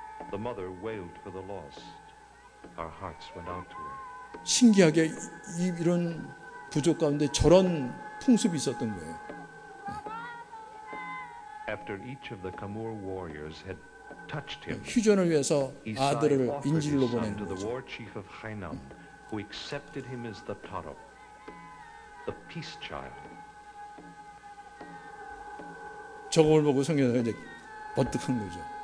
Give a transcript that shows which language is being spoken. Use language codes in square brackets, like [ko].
[en] The mother wailed for the lost. Our hearts went out to her. [ko] 신기하게 이런 부족 가운데 저런 풍습이 있었던 거예요. [en] After each of the Kamur warriors had touched him, [ko] 휴전을 위해서 아들을 인질로 보낸 거죠. [en] The war chief of Hainam, who accepted him as the Taro, the peace child. [ko] 저걸 보고 성경에서 이제 버뜩한 거죠.